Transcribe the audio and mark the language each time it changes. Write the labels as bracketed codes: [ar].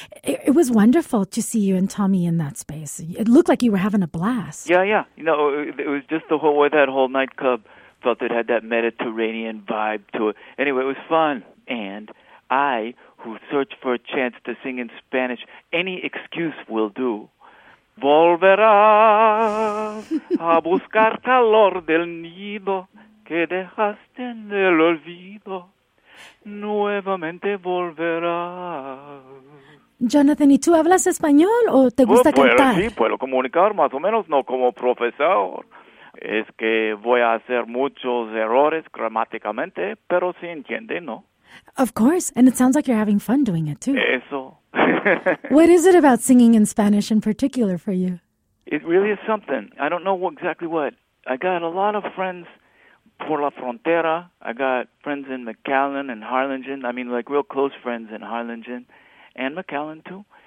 [en] It was wonderful to see you and Tommy in that space. It looked like you were having a blast. Yeah. You know, it was just the whole way that whole nightclub felt. It had that Mediterranean vibe to it. Anyway, it was fun. And I, who searched for a chance to sing in Spanish, any excuse will do. [es] Volverá a buscar calor del nido que dejaste en el olvido. Nuevamente volverá. Jonathan, ¿y tú hablas español o te gusta cantar? Sí, puedo comunicar más o menos, no como profesor. Es que voy a hacer muchos errores gramáticamente, pero sí entiende, ¿no? [en] Of course, and it sounds like you're having fun doing it, too. [es] Eso. [en] What is it about singing in Spanish in particular for you? It really is something. I don't know exactly what. I got a lot of friends [es] por la frontera. [en] I got friends in McAllen and Harlingen. I mean, like, real close friends in Harlingen and McAllen, too.